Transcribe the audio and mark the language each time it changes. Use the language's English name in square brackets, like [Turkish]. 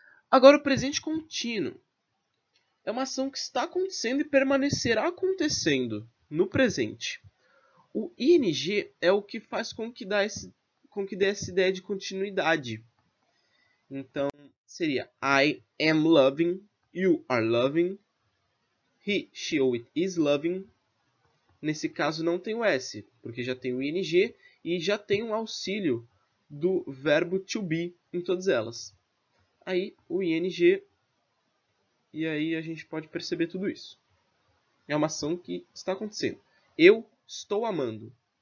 [Portuguese] Agora, o presente contínuo. É uma ação que está acontecendo e permanecerá acontecendo no presente. O ING é o que faz com que dê essa ideia de continuidade. Então, seria [English] I am loving, you are loving, he, she [Portuguese] ou [English] it is loving. [Portuguese] Nesse caso, não tem o S, porque já tem o ing e já tem o auxílio do verbo to be em todas elas. Aí, o ing, e aí a gente pode perceber tudo isso. É uma ação que está acontecendo. Eu estou amando.